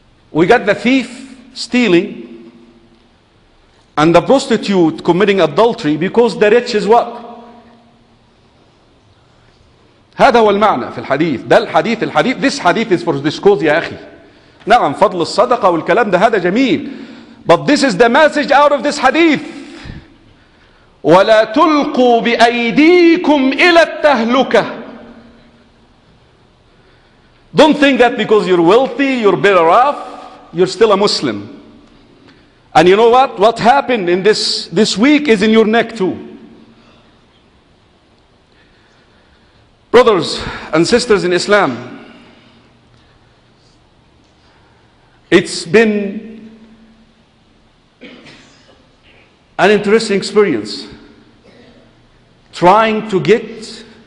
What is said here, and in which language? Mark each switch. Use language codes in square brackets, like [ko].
[en] We got the thief stealing and the prostitute committing adultery because the rich is what? [ar] هذا هو المعنى في الحديث. ده الحديث. الحديث. [en] This hadith is for this cause [ar] يا أخي. نعم فضل الصدقة والكلام ده هذا جميل. [en] But this is the message out of this hadith. [ar] ولا تلقوا بأيديكم إلى التهلكة. [en] Don't think that because you're wealthy, you're better off, you're still a Muslim. And you know what? What happened in this week is in your neck too. Brothers and sisters in Islam, it's been an interesting experience trying to get